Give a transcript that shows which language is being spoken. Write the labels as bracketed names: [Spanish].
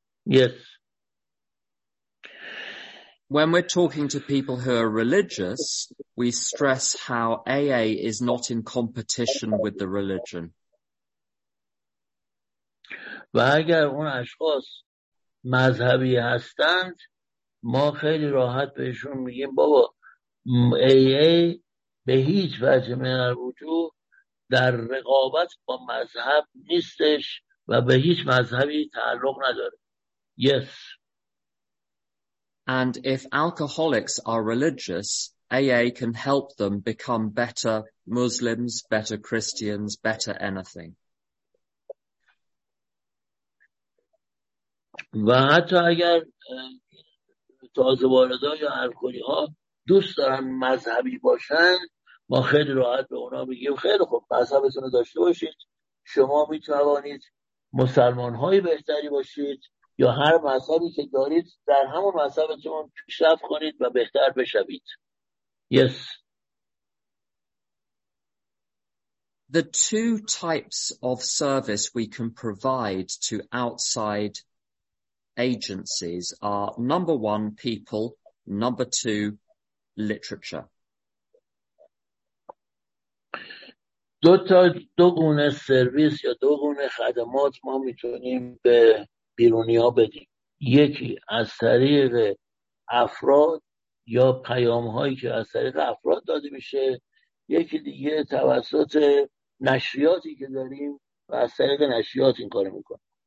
[English] Yes. When we're talking to people who are religious, we stress how AA is not in competition with the religion. [Persian] و اگر اون اشخاص مذهبی هستند ما خیلی راحت بهشون میگیم بابا AA به هیچ وجه من وجود در رقابت با مذهب نیستش و به هیچ مذهبی تعلق نداره. [English] Yes. And if alcoholics are religious, AA can help them become better Muslims, better Christians, better anything. [Persian] و حتی اگر تازه واردا یا الکلی ها دوست دارن مذهبی باشن ما خیلی راحت به اونا میگیم خیلی خوب مذهبتون رو داشته باشید شما میتوانید مسلمان های بهتری باشید یا هر مذهبی که دارید در همون مذهبتون پیشرفت کنید و بهتر بشوید. [English] Yes. The two types of service we can provide to outside agencies are number one people, number two literature. [Persian] دو گونه سرویس یا دو گونه خدمات ما میتونیم به بیرونی ها بدیم. یکی از طریق افراد یا پیام هایی که از طریق افراد داده میشه، یکی دیگه توسط نشریاتی که داریم و از طریق نشریات این کارو میکنیم.